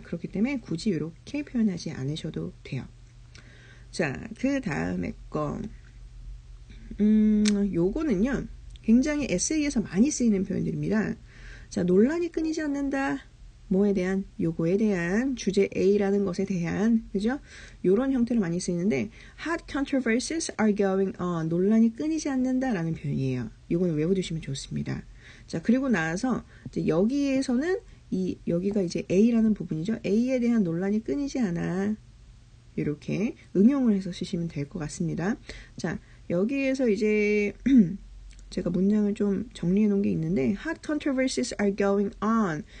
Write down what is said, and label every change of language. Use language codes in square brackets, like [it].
[ko] 그렇기 때문에 굳이 이렇게 표현하지 않으셔도 돼요. 자, 그 다음에 거. 요거는요, 굉장히 에세이에서 많이 쓰이는 표현들입니다. 자, 논란이 끊이지 않는다. 뭐에 대한, 요거에 대한, 주제 A라는 것에 대한, 그죠? 요런 형태를 많이 쓰이는데, [en] hot controversies are going on. [ko] 논란이 끊이지 않는다라는 표현이에요. 요거는 외워두시면 좋습니다. 자, 그리고 나서, 이제 여기에서는, 여기가 이제 A라는 부분이죠? A에 대한 논란이 끊이지 않아. 이렇게 응용을 해서 쓰시면 될것 같습니다. 자, 여기에서 이제, 제가 문장을 좀 정리해 놓은 게 있는데, [en] hot controversies are going on.